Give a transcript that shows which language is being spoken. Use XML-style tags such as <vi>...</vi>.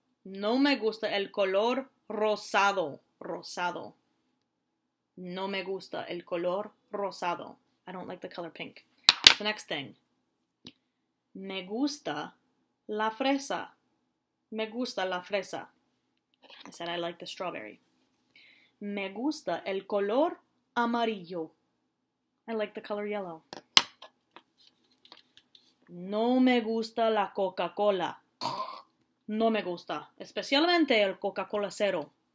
<es>No me gusta el color rosado. Rosado. No me gusta el color rosado.</es> <en>I don't like the color pink. The next thing.</en> <es>Me gusta la fresa. Me gusta la fresa.</es> <en>I said I like the strawberry.</en> <es>Me gusta el color amarillo.</es> <en>I like the color yellow.</en> <es>No me gusta la Coca-Cola. No me gusta. Especialmente el Coca-Cola cero.</es>